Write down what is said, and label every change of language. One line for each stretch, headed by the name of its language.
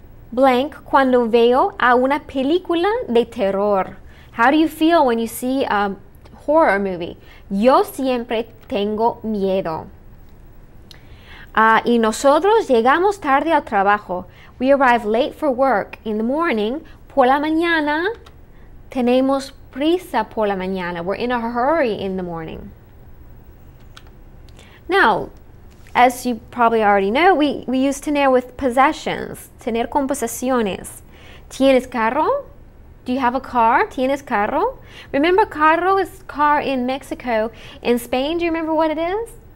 Spanish: blank, cuando veo a una película de terror.
English: How do you feel when you see a horror movie?
Spanish: Yo siempre tengo miedo. Y nosotros llegamos tarde al trabajo.
English: We arrive late for work in the morning.
Spanish: Por la mañana, tenemos prisa por la mañana.
English: We're in a hurry in the morning. Now, as you probably already know, we use tener with possessions.
Spanish: Tener con posesiones. ¿Tienes carro?
English: Do you have a car?
Spanish: ¿Tienes carro?
English: Remember, carro is car in Mexico. In Spain, do you remember what it is?